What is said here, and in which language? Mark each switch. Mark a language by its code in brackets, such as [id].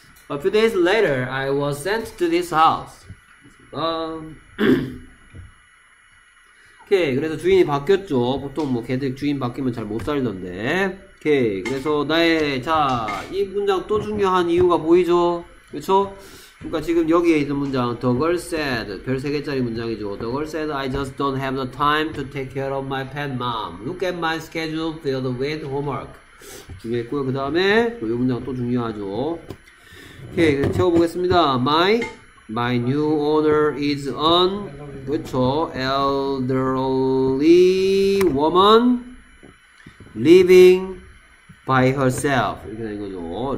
[en] A few days later, I was sent to this house. [ko] 오케이. 그래서 주인이 바뀌었죠. 보통 뭐 걔들 주인 바뀌면 잘 못 살던데. 오케이. 그래서 나의 자, 이 문장 또 중요한 이유가 보이죠. 그렇죠? 그러니까 지금 여기에 있는 문장 [en] The girl said [ko] 별 세 개짜리 문장이죠. [en] The girl said I just don't have the time to take care of my pet mom. Look at my schedule filled with homework. [ko] 중요했고요. 그 다음에 이 문장 또 중요하죠. 오케이, 채워보겠습니다. [en] My new owner is an [ko] 그렇죠. [en] elderly woman living by herself. 이렇게 된 거죠.